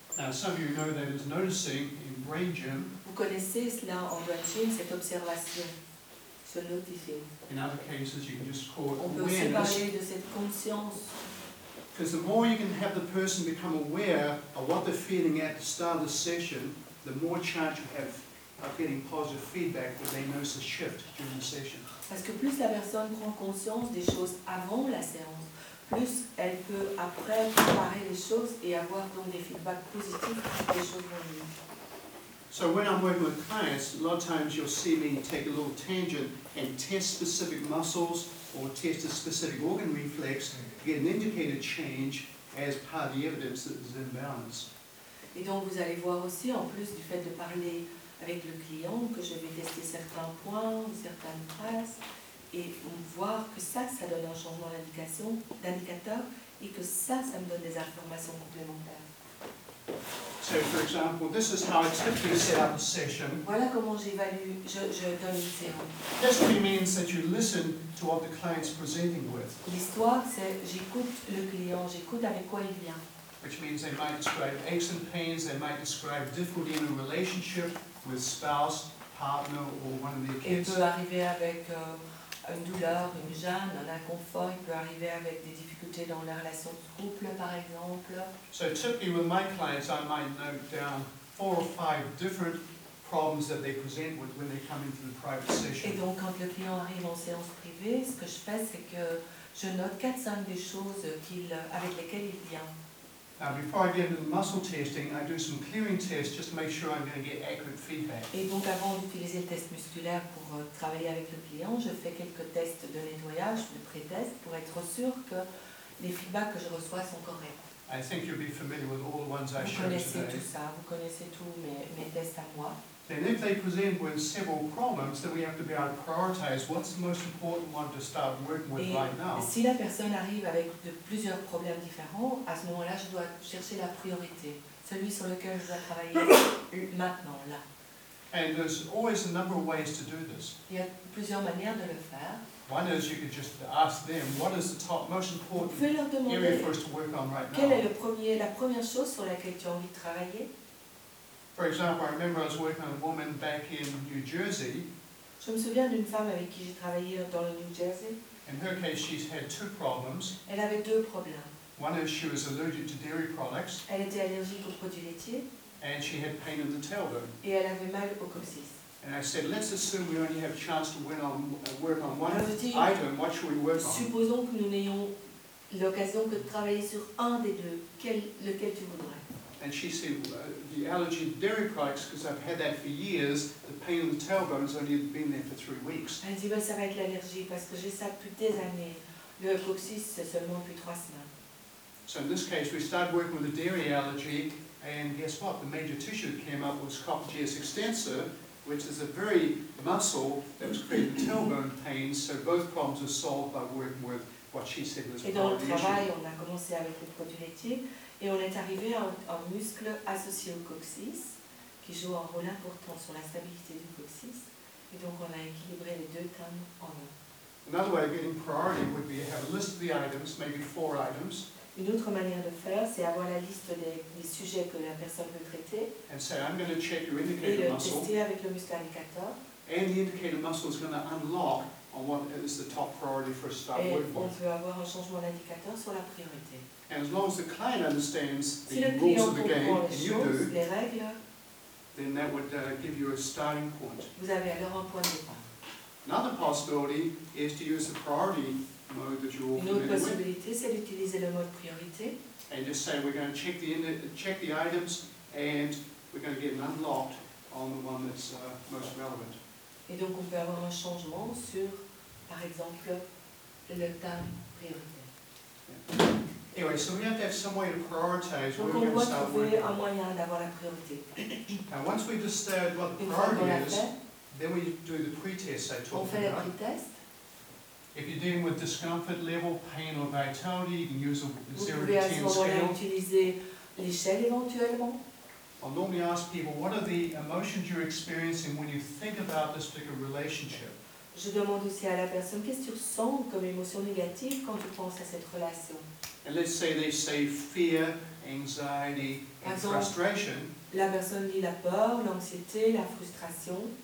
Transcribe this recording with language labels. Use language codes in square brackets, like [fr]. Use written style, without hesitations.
[en] Now, some of you know that it's noticing in brain gym. [fr] Vous connaissez cela en brain gym, cette observation, ce noticing. [en] In other cases, you can just call it awareness. [fr] On peut aussi parler de cette conscience. [en] Because the more you can have the person become aware of what they're feeling at the start of the session, the more chance you have of getting positive feedback when they notice a shift during the session. [fr] Parce que plus la personne prend conscience des choses avant la séance, plus elle peut après comparer les choses et avoir donc des feedbacks positifs des choses vont mieux. [en] So when I'm working with clients, a lot of times you'll see me take a little tangent and test specific muscles or test a specific organ reflex to get an indicator change as part of the evidence that there's an imbalance. [fr] Et donc vous allez voir aussi, en plus du fait de parler avec le client, que je vais tester certains points, certaines traces, et voir que ça donne un changement d'indicateur et que ça me donne des informations complémentaires. [en] So for example, this is how I typically set up a session. [fr] Voilà comment j'évalue, je donne une séance. [en] History means that you listen to what the client's presenting with. [fr] L'histoire, c'est j'écoute le client, j'écoute avec quoi il vient. [en] Which means they might describe aches and pains, they might describe difficulty in a relationship with spouse, partner, or one of their kids. [fr] Il peut arriver avec une douleur, une gêne, un inconfort, il peut arriver avec des difficultés dans la relation de couple, par exemple. [en] So typically with my clients, I might note down 4 or 5 different problems that they present with when they come into the private session. [fr] Et donc, quand le client arrive en séance privée, ce que je fais, c'est que je note 4-5 des choses avec lesquelles il vient. [en] Now, before I get into the muscle testing, I do some clearing tests just to make sure I'm going to get accurate feedback. [fr] Et donc, avant d'utiliser le test musculaire pour travailler avec le client, je fais quelques tests de nettoyage, de pré-test, pour être sûr que les feedbacks que je reçois sont corrects. [en] I think you'll be familiar with all the ones I showed today. [fr] Vous connaissez tout ça, vous connaissez tous mes tests à moi. [en] Then if they present with several problems, then we have to be able to prioritize what's the most important one to start working with [fr] et [en] right now. [fr] Si la personne arrive avec de plusieurs problèmes différents, à ce moment-là, je dois chercher la priorité, celui sur lequel je dois travailler maintenant, là. [en] And there's always a number of ways to do this. [fr] Il y a plusieurs manières de le faire. [en] One is you could just ask them, what is the top most important area for us to work on right now? [fr] Quelle est le premier, la première chose sur laquelle tu as envie de travailler? [en] For example, I remember I was working on a woman back in New Jersey. [fr] Je me souviens d'une femme avec qui j'ai travaillé dans le New Jersey. [en] In her case, she's had two problems. [fr] Elle avait deux problèmes. [en] One is she was allergic to dairy products. [fr] Elle était allergique aux produits laitiers. [en] And she had pain in the tailbone. [fr] Et elle avait mal au coccyx. [en] And I said, let's assume we only have a chance to work on one item. What should we work on? [fr] Supposons que nous n'ayons l'occasion que de travailler sur un des deux. Lequel tu voudrais? [en] And she said, the allergy to dairy products, because I've had that for years, the pain in the tailbone has only been there for 3 weeks. [fr] Elle dit, bah, ça va être l'allergie, parce que j'ai ça depuis des années. Le coccyx, c'est seulement depuis 3 semaines. [en] So in this case, we started working with a dairy allergy, and guess what? The major tissue that came up was coccygeus extensor, which is a very muscle that was creating tailbone pain, so both problems were solved by working with what she said was a problem. [fr] Et dans le travail, on a commencé avec le produit laitier, et on est arrivé à un muscle associé au coccyx, qui joue un rôle important sur la stabilité du coccyx. Et donc on a équilibré les deux thèmes en un. [en] Another way of getting priority would be to have a list of the items, maybe 4 items. [fr] Une autre manière de faire, c'est avoir la liste des sujets que la personne veut traiter. [en] And say, I'm going to check your indicator muscle. [fr] tester avec le muscle indicateur. [en] And the indicator muscle is going to unlock on what is the top priority for us to start working on. [fr] Et on veut avoir un changement d'indicateur sur la priorité. [en] And as long as the client understands [fr] si [en] the rules of the game, and you [fr] choses, [en] do, [fr] les règles, [en] then that would give you a starting point. [fr] Vous avez alors un point de départ. [en] Another possibility is to use the priority mode that you're familiar with. [fr] Une autre possibilité, c'est d'utiliser le mode priorité. [en] And just say we're going to check the items, and we're going to get it unlocked on the one that's most relevant. [fr] Et donc on peut avoir un changement sur, par exemple, le thème priorité. [en] Anyway, so we have to have some way to prioritize [fr] donc [en] where we're going to start working. [fr] Un moyen d'avoir la priorité. [en] Now, once we've decided what the priority is, then we do the pretest I talked about. [fr] Le pre-test. [en] If you're dealing with discomfort level, pain or vitality, you can use a 0 to 10 scale. [fr] Utiliser l'échelle éventuellement. [en] I'll normally ask people, what are the emotions you're experiencing when you think about this particular relationship? [fr] Je demande aussi à la personne, qu'est-ce que tu ressens comme émotion négative quand tu penses à cette relation? [en] And let's say they say fear, anxiety, and [fr] exemple, [en] frustration. [fr] La personne dit la peur, l'anxiété, la frustration.